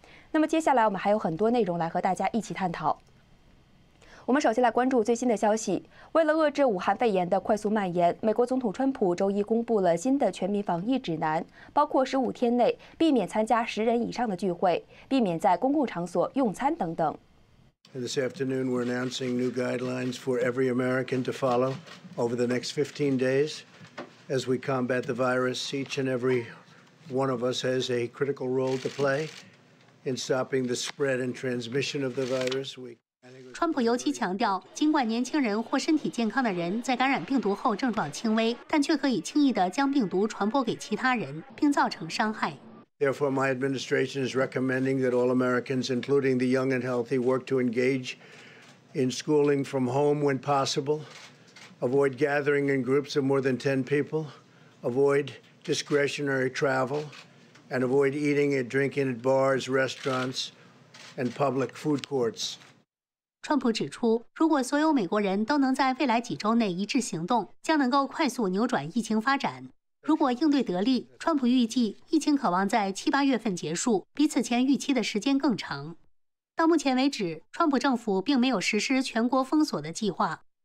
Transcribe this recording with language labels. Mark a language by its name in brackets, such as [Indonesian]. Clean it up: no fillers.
[Chinese] 那么接下来我们还有很多内容来和大家一起探讨。我们首先来关注最新的消息。为了遏制武汉肺炎的快速蔓延，美国总统川普周一公布了新的全民防疫指南，包括15天内避免参加10人以上的聚会，避免在公共场所用餐等等。 [English] This afternoon, we're announcing new guidelines for every American to follow over the next 15 days. As we combat the virus, each and every one of us has a critical role to play in stopping the spread and transmission of the virus. [Chinese] 川普尤其强调，尽管年轻人或身体健康的人在感染病毒后症状轻微，但却可以轻易地将病毒传播给其他人，并造成伤害。 [English] Therefore, my administration is recommending that all Americans, including the young and healthy, work to engage in schooling from home when possible. Avoid gathering in groups of more than 10 people, avoid discretionary travel, and avoid eating and drinking at bars, restaurants, and public food courts. [Chinese] 川普指出，如果所有美国人都能在未来几周内一致行动，将能够快速扭转疫情发展。如果应对得力，川普预计疫情可望在7、8月份结束，比此前预期的时间更长。到目前为止，川普政府并没有实施全国封锁的计划。